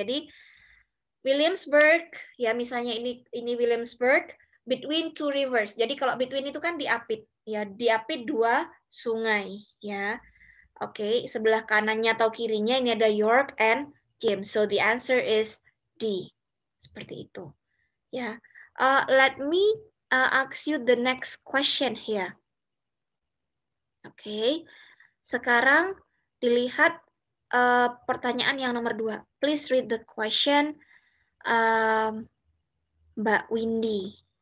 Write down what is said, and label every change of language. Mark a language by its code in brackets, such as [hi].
[id] Jadi Williamsburg, ya misalnya ini Williamsburg, [en] between two rivers. [id] Jadi kalau between itu kan diapit, ya diapit dua sungai, ya. Oke, sebelah kanannya atau kirinya ini ada York and James. [en] So the answer is D, [id] seperti itu. [en] Ya, let me ask you the next question here. [id] Okay, sekarang dilihat pertanyaan yang nomor dua. [en] Please read the question, Mbak Windy.